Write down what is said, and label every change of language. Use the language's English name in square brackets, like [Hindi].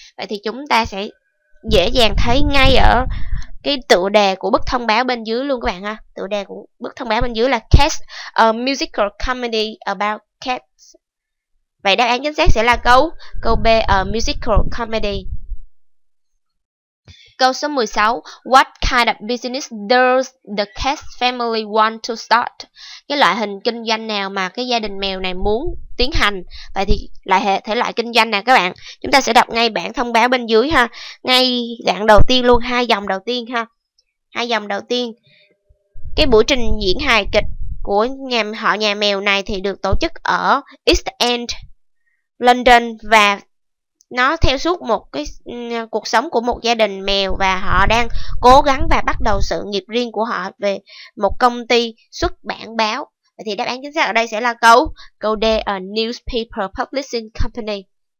[Vietnamese] Vậy thì chúng ta sẽ dễ dàng thấy ngay ở cái tựa đề của bức thông báo bên dưới luôn các bạn ha. Tựa đề của bức thông báo bên dưới là Cats, [English] a musical comedy about cats. [Vietnamese] Vậy đáp án chính xác sẽ là câu B, [English] a musical comedy. [Vietnamese] Câu số 16. [English] What kind of business does the cat family want to start? [Vietnamese] Cái loại hình kinh doanh nào mà cái gia đình mèo này muốn tiến hành? Vậy thì lại thể loại kinh doanh nè các bạn. Chúng ta sẽ đọc ngay bảng thông báo bên dưới ha. Ngay đoạn đầu tiên luôn, hai dòng đầu tiên ha. Hai dòng đầu tiên. Cái buổi trình diễn hài kịch của nhà mèo này thì được tổ chức ở East End, London, và nó theo suốt một cái cuộc sống của một gia đình mèo, và họ đang cố gắng và bắt đầu sự nghiệp riêng của họ về một công ty xuất bản báo. Thì đáp án chính xác ở đây sẽ là câu D, [English] a newspaper publishing company.